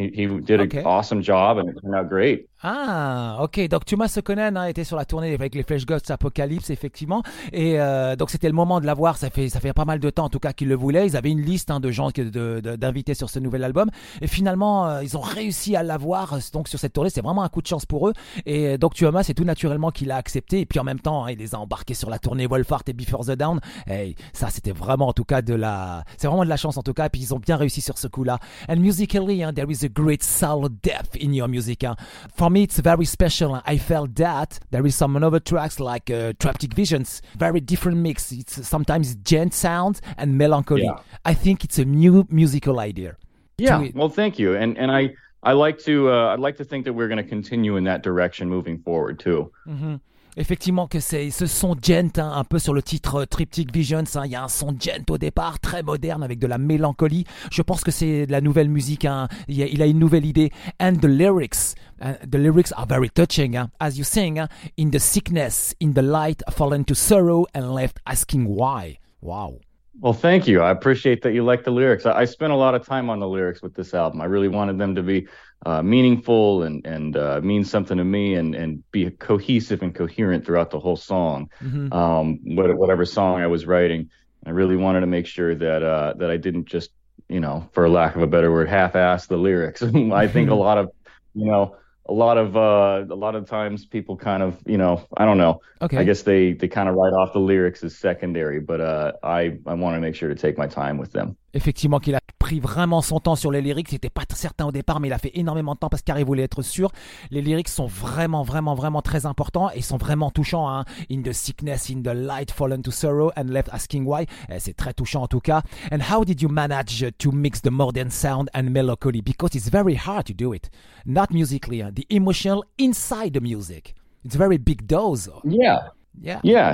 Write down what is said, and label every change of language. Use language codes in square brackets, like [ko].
[en] He did an awesome job, and it turned out great. Ah, ok. [fr] Donc Thomas Sokkonen a été sur la tournée avec les Flesh Gods Apocalypse, effectivement. Et donc c'était le moment de l'avoir. Ça fait pas mal de temps, en tout cas, qu'ils le voulaient. Ils avaient une liste, hein, de gens d'inviter sur ce nouvel album. Et finalement, ils ont réussi à l'avoir. Donc sur cette tournée, c'est vraiment un coup de chance pour eux. Et donc Thomas, c'est tout naturellement qu'il a accepté. Et puis en même temps, hein, il les a embarqués sur la tournée Wolfheart et Before the Dawn. Et ça, c'était vraiment, en tout cas, c'est vraiment de la chance, en tout cas. Et puis ils ont bien réussi sur ce coup-là. [en] And musically, hein, there is a great soul depth in your music. Hein. For me, it's very special. I felt that there is some other tracks like Traptic Visions, very different mix. It's sometimes djent sound and melancholy. Yeah. I think it's a new musical idea. Yeah. Well, thank you. And I'd like to think that we're going to continue in that direction moving forward too. Mm-hmm. [fr] Effectivement que c'est ce son djent, hein, un peu sur le titre Triptic Visions, hein, il y a un son djent au départ, très moderne, avec de la mélancolie. Je pense que c'est de la nouvelle musique, hein, il a une nouvelle idée. [en] And the lyrics are very touching, hein, as you sing, hein, in the sickness, in the light, fallen to sorrow and left asking why. Wow. Well, thank you. I appreciate that you like the lyrics. I spent a lot of time on the lyrics with this album. I really wanted them to be meaningful and mean something to me and be cohesive and coherent throughout the whole song, whatever song I was writing. I really wanted to make sure that that I didn't just, you know, for lack of a better word, half-ass the lyrics. I think a lot of, you know, a lot of times people kind of, you know, I don't know. Okay. I guess they kind of write off the lyrics as secondary, but I want to make sure to take my time with them. [fr] Effectivement, qu'il a pris vraiment son temps sur les lyrics. Il n'était pas certain au départ, mais il a fait énormément de temps parce qu'il voulait être sûr. Les lyrics sont vraiment, vraiment, vraiment très importants et sont vraiment touchants. Hein? [en] In the sickness, in the light, fallen to sorrow and left asking why. [fr] C'est très touchant en tout cas. [en] And how did you manage to mix the modern sound and melancholy? Because it's very hard to do it. Not musically, the emotional inside the music. It's a very big dose. Yeah.